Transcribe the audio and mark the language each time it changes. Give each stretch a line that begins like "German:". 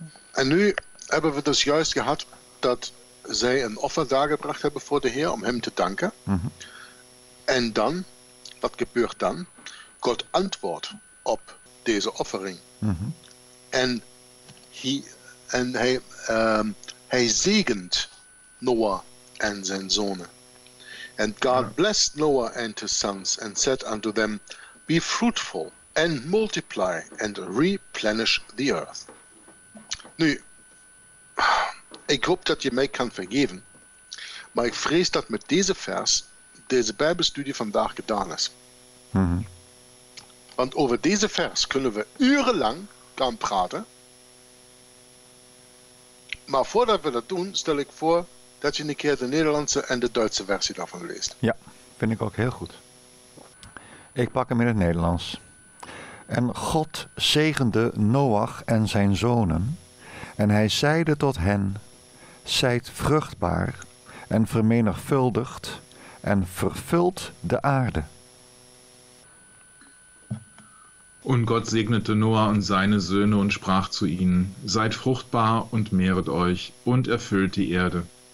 Dutch: En nu hebben we dus juist gehad dat zij een offer daargebracht hebben voor de Heer om hem te danken. Mm-hmm. En dan, wat gebeurt dan? God antwoordt op deze offering. Mm-hmm. En hij zegent Noah en zijn zonen.
English: And God blessed Noah and his sons and said unto them, be fruitful and multiply and replenish the earth.
Dutch: Nu, ik hoop dat je mij kan vergeven, maar ik vrees dat met deze vers deze Bijbelstudie vandaag gedaan is. Mm-hmm. Want over deze vers kunnen we urenlang gaan praten, maar voordat we dat doen, stel ik voor dat je een keer de Nederlandse en de Duitse versie daarvan leest. Ja, vind ik ook heel goed. Ik pak hem in het Nederlands. En God zegende Noach en zijn zonen, en hij zeide tot hen, zijt vruchtbaar en vermenigvuldigt en vervult de aarde.
German: Und Gott segnete Noah und seine Söhne und sprach zu ihnen, seid fruchtbar und mehret euch und erfüllt die Erde.